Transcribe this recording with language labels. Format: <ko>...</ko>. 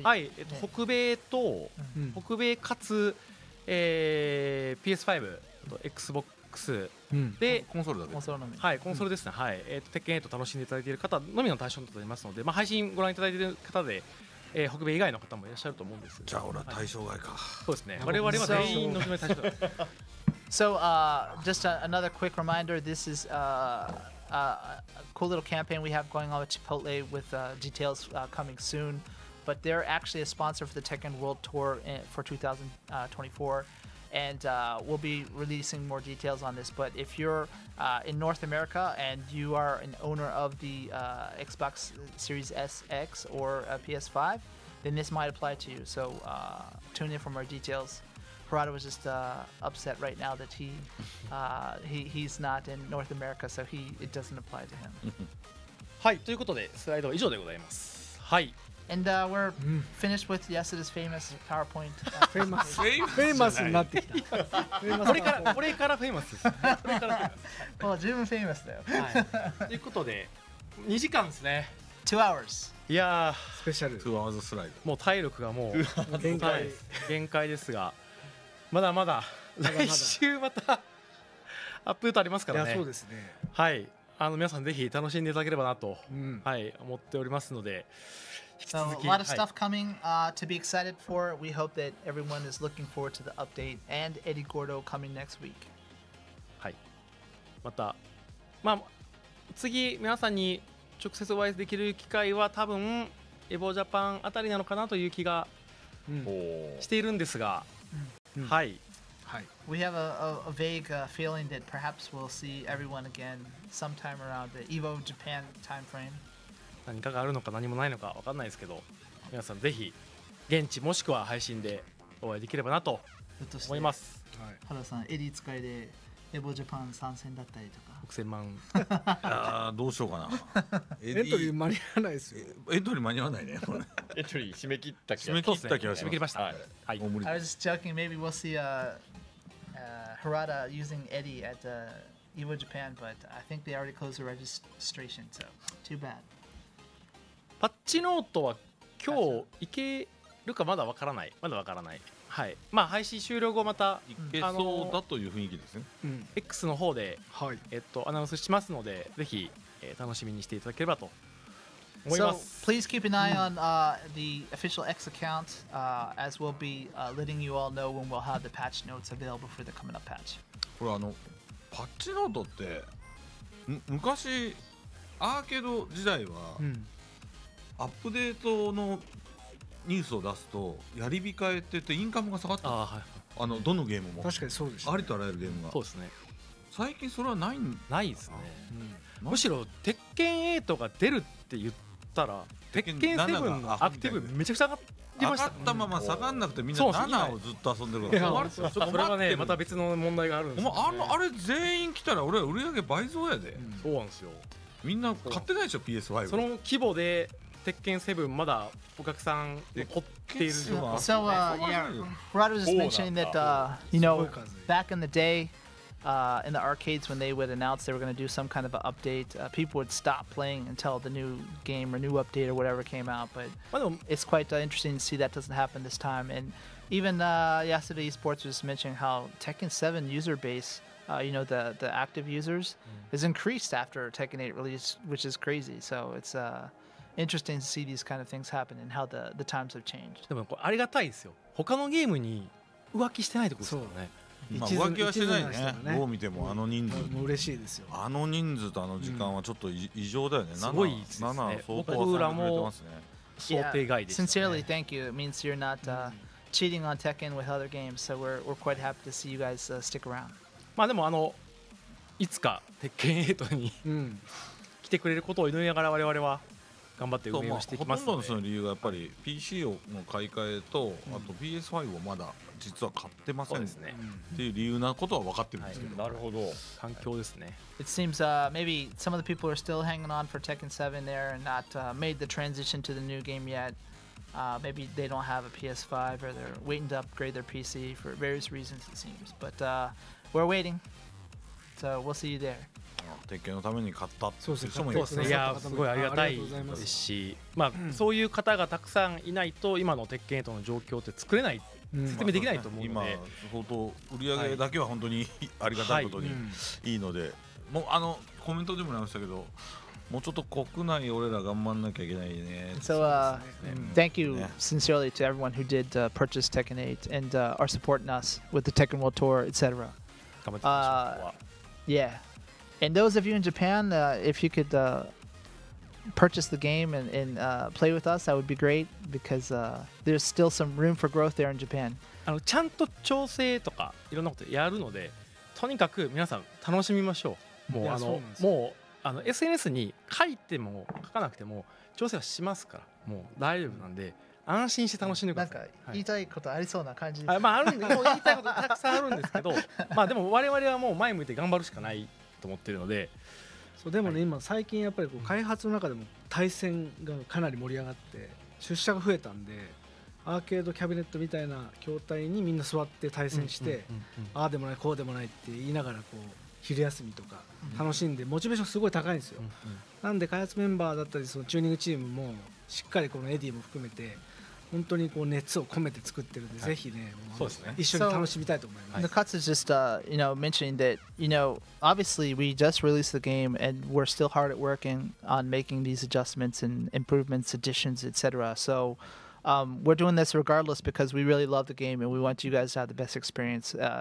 <ja>はい北米と、うん、北米かつ、PS5 と Xbox で、うん、コンソールだけコンソールのみ、はい、コンソールですね、うん、はい鉄拳8楽しんでいただいている方のみの対象となりますので、まあ、配信ご覧いただいている方で北米以外の方もいらっしゃると思うんですじゃあ俺は対象外か、はい、そうですね我々は全員のみの対象</ja> <en>So, just another quick reminder, this is a cool little campaign we have going on with Chipotle with details coming soon. But they're actually a sponsor for the Tekken World Tour for 2024. And we'll be releasing more details on this. But if you're in North America and you are an owner of the Xbox Series SX or PS5, then this might apply to you. So tune in for more details. Prada was just upset right now that he's not in North America, so it doesn't apply to him.</en> <ja>はい、ということでスライドは以上でございます。はい。</ja> <en>And we're finished with Yasuda's famous PowerPoint.</en> <ja>Famous. Famous になってきた。これから famous です。もう十分 famous だよ。ということで2時間ですね。</ja> <en>2 hours.</en> <ja>いやスペシャル。</ja> <en>2 hours slide。</en> <ja>もう体力がもう限界ですが、まだまだ来週またアップデートありますからね。いやそうですね。はい、あの皆さんぜひ楽しんでいただければなと、はい、思っておりますので。</ja> <en>So a lot of stuff coming to be excited for. We hope that everyone is looking forward to the update and Eddie Gordo coming next week.</en> <ja>はい。また、まあ次皆さんに直接お会いできる機会は多分エボージャパンあたりなのかなという気がしているんですが、はい。はい。</ja> <en>We have a vague feeling that perhaps we'll see everyone again sometime around the Evo Japan time frame.</en> <ja>何かがあるのか何もないのか分かんないですけど、皆さんぜひ現地もしくは配信でお会いできればなと思います。はい、原さんエディ使いでエボジャパン参戦だったりとか 6000万どうしようかな。エントリー間に合わないですよ。エントリー間に合わないね。エントリー締め切った気がします。締め切った気がします。はい、もう無理。</ja> <en>I was just joking, maybe we'll see Harada using Eddie at Evo Japan, but I think they already closed the registration, so too bad</en> <ja>パッチノートは今日行けるかまだわからない、まだわからない、はい、まあ、配信終了後また行けそうだという雰囲気ですね。 X の方で、はい、アナウンスしますので、ぜひ、楽しみにしていただければと思います。</ja> <en>So, please keep an eye on the official X account, as we'll be letting you all know when we'll have the patch notes available for the coming up patch.</en> <ja>これパッチノートって昔アーケード時代は、アップデートのニュースを出すとやり控えててインカムが下がった。あ、はい、あのどのゲームも確かにそうです、ね、ありとあらゆるゲームがそうですね。最近それはないんだな。ないですね、うん、むしろ鉄拳8が出るって言ったら鉄拳7のアクティブめちゃくちゃ上がりました。上がったまま下がんなくてみんな7をずっと遊んでるから、そうですね、それはねまた別の問題があるんですよ、ね、あれ全員来たら俺は売り上げ倍増やで、うん、そうなんですよ。みんな買ってないでしょ PS5。その規模で鉄拳セブンまだお客さん残っている。</ja> <en>So yeah, Rod was just mentioning that you know, back in the day, in the arcades when they would announce they were going to do some kind of an update, people would stop playing until the new game or new update or whatever came out. But it's quite interesting to see that doesn't happen this time. And even yesterday, Esports was mentioning how Tekken 7 user base, you know, the active users, is increased after Tekken 8 release, which is crazy. So it'sInteresting to see these kind of things happen and how the times have changed.</en> <ja>でもこれありがたいですよ。他のゲームに浮気してないってことですよね。そうね。まあ、浮気はしてないね。どう見てもあの人数。嬉しいですよ。あの人数とあの時間はちょっと異常だよね。すごいですね。 7相当はされてますね。想定外でしたね。</ja> <en>Sincerely, thank you. It means you're not cheating on Tekken with other games, so we're quite happy to see you guys stick around.</en> <ja>まあでもいつか鉄拳8に来てくれることを祈りながら我々は。頑張って運営をしていきますね。ほとんどのその理由がやっぱり PC の買い替えと、うん、あと PS5 をまだ実は買ってませんそうですね、っていう理由なことは分かってるんですけど、はい、なるほど、環境ですね。</ja> <en>It seems maybe some of the people are still hanging on for Tekken 7 there and not made the transition to the new game yet. Maybe they don't have a PS5 or they're waiting to upgrade their PC for various reasons it seems. But we're waiting. So we'll see you there.</en> <ja>鉄拳のために買ったっていう人もいますね。いやすごいありがたいですし、まあそういう方がたくさんいないと今の鉄拳との状況って作れない、説明できないと思うので、今相当売り上げだけは本当にありがたいことにいいので、もうコメントでもありましたけど、もうちょっと国内俺ら頑張んなきゃいけないね。</ja> <en>So thank you sincerely to everyone who did purchase Tekken 8 and are supporting us with the Tekken World Tour etc.</en> <ja>頑張ってください。</ja> <en>YeahAnd those of you in Japan, if you could purchase the game and play with us, that would be great because there's still some room for growth there in Japan.</en> <ja>ちゃんと調整とかいろんなことやるので、とにかく皆さん楽しみましょう。もう、もう SNS に書いても書かなくても調整はしますから、もう大丈夫なんで、安心して楽しんでください。なんか言いたいことありそうな感じです、はい、あるんで、もう言いたいことたくさんあるんですけど、まあでも我々はもう前向いて頑張るしかない。と思ってるので、そうでもね、はい、今最近やっぱりこう開発の中でも対戦がかなり盛り上がって出社が増えたんで、アーケードキャビネットみたいな筐体にみんな座って対戦して、うんうんうんうん、ああでもないこうでもないって言いながらこう昼休みとか楽しんでモチベーションすごい高いんですよ。なんで開発メンバーだったりそのチューニングチームもしっかりこのエディも含めて本当にこう熱を込めて作ってるんで、ぜひね、一緒に楽しみたいと思います。</ja> <en>The Cuts is just you know mentioning that you know obviously we just released the game and we're still hard at working on making these adjustments and improvements, additions, etc. So we're doing this regardless because we really love the game and we want you guys to have the best experience.</en>